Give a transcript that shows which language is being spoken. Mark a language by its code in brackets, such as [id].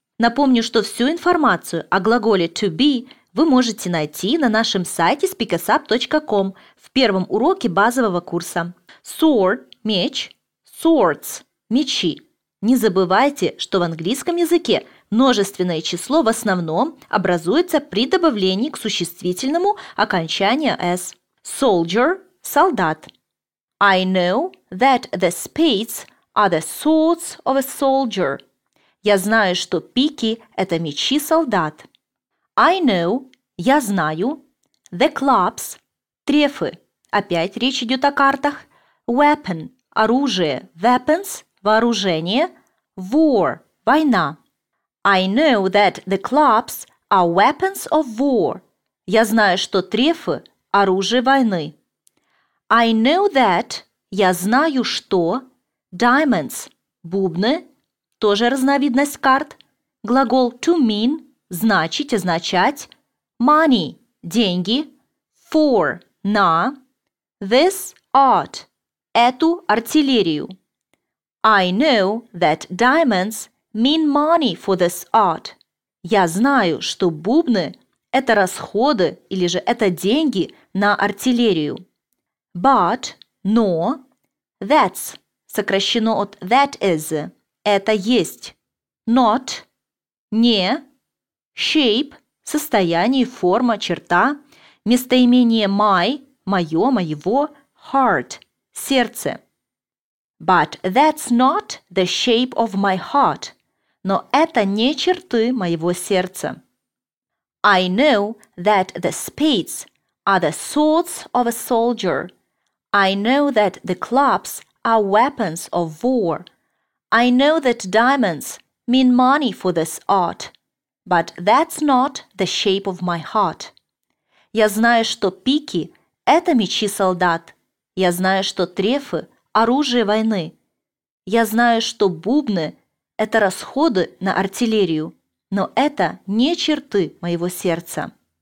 [ru] Напомню, что всю информацию о глаголе to be вы можете найти на нашем сайте speakersup.com в первом уроке базового курса. [en] Sword – меч, swords – мечи. [ru] Не забывайте, что в английском языке множественное число в основном образуется при добавлении к существительному окончания s. [en] Soldier – солдат. I know that the spades are the swords of a soldier. [ru] Я знаю, что пики – это мечи солдат. [en] I know [ru] – я знаю. [en] The clubs – трефы. [ru] Опять речь идет о картах. Weapon – оружие. [en] Weapons – вооружение. War – война. I know that the clubs are weapons of war. [ru] Я знаю, что трефы – оружие войны. [en] I know that [ru] – я знаю, что. Diamonds – бубны. Тоже разновидность карт. Глагол [en] to mean [ru] – значить, означать. Money – деньги. [en] For – на. This art – эту артиллерию. I know that diamonds mean money for this art. [ru] Я знаю, что бубны – это расходы или же это деньги на артиллерию. [en] But – но. [ru] That's – сокращено от [en] that is [ru] – это есть. [en] Not – не. [ru] Shape – состояние, форма, черта. Местоимение my – мое, моего. [en] Heart – сердце. But that's not the shape of my heart. [ru] Но это не черты моего сердца. [en] I know that the spades are the swords of a soldier. I know that the clubs are weapons of war. I know that diamonds mean money for this art, but that's not the shape of my heart. [ru] Я знаю, что пики – это мечи солдат. Я знаю, что трефы – оружие войны. Я знаю, что бубны – это расходы на артиллерию, но это не черты моего сердца.